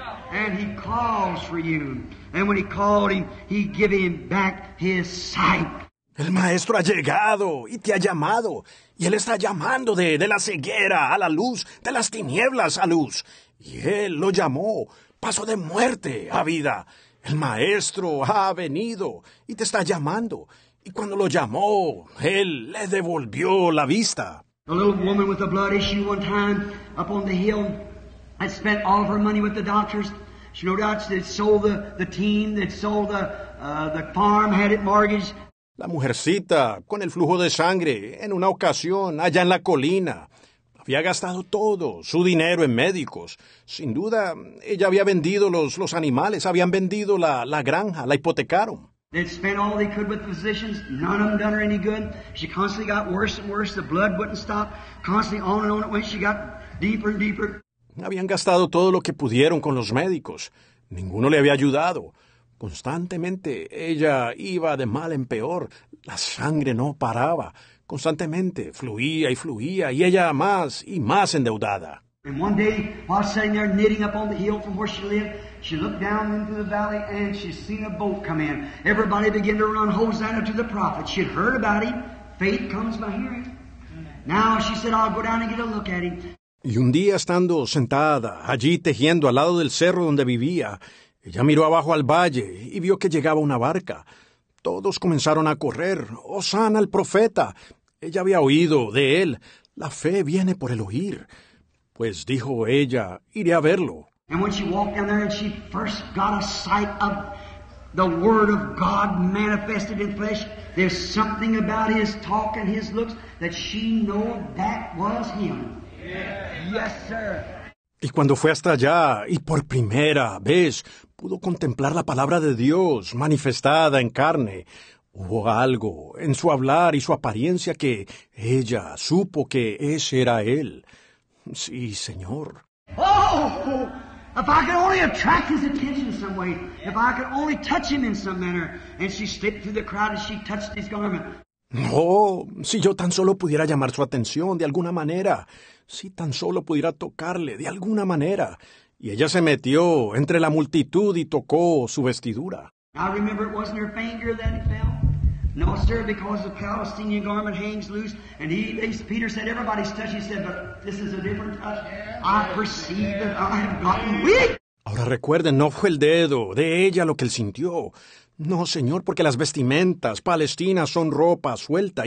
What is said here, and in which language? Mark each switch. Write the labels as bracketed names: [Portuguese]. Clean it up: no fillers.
[English] And he calls for you. And when he called him, he gave him back his sight. [Spanish] El Maestro ha llegado y te ha llamado. Y él está llamando de la ceguera a la luz, de las tinieblas a luz. Y él lo llamó. Pasó de muerte a vida. El Maestro ha venido y te está llamando. Y cuando lo llamó, él le devolvió la vista. [English] A little woman with a blood issue one time up on the hill. I spent all of her money with the doctors. She no doubt had sold the team, that sold the the farm had it mortgaged. [Spanish] La mujercita, con el flujo de sangre, en una ocasión, allá en la colina, había gastado todo, su dinero en médicos. Sin duda, ella había vendido los animales, habían vendido la granja, la hipotecaron. [English] They'd spent all they could with physicians. None of them done her any good. She constantly got worse and worse. The blood wouldn't stop. Constantly on and on it went. She got deeper and deeper. [Spanish] Habían gastado todo lo que pudieron con los médicos. Ninguno le había ayudado. Constantemente ella iba de mal en peor. La sangre no paraba. Constantemente fluía y fluía, y ella más y más endeudada. [English] And one day, while sitting there knitting up on the hill from where she lived, she looked down into the valley and she seen a boat come in. Everybody began to run Hosanna to the prophet. She had heard about him. Faith comes by hearing. Now she said, I'll go down and get a look at him. [Spanish] Y un día, estando sentada allí tejiendo al lado del cerro donde vivía, ella miró abajo al valle y vio que llegaba una barca. Todos comenzaron a correr. ¡Hosanna al profeta! Ella había oído de él. La fe viene por el oír. Pues dijo ella, iré a verlo. [English] And when she walked down there and she first got a sight of the Word of God manifested in flesh, there's something about his talk and his looks that she knew that was him. Yes, sir. [Spanish] Y cuando fue hasta allá y por primera vez pudo contemplar la palabra de Dios manifestada en carne, hubo algo en su hablar y su apariencia que ella supo que ese era él. Sí, señor. [English] Oh, if I could only attract his attention some way, if I could only touch him in some manner, and she slipped through the crowd and she touched his garment. [Spanish] Oh, si yo tan solo pudiera llamar su atención de alguna manera, si tan solo pudiera tocarle de alguna manera. Y ella se metió entre la multitud y tocó su vestidura. [English] I remember it wasn't her finger that it fell. No, sir, because the Palestinian garment hangs loose. And Peter said, everybody's touched. He said, but this is a different touch. I perceive that I have gotten weak. [Spanish] Ahora recuerden, no fue el dedo de ella lo que él sintió. No, señor, porque las vestimentas palestinas son ropa suelta.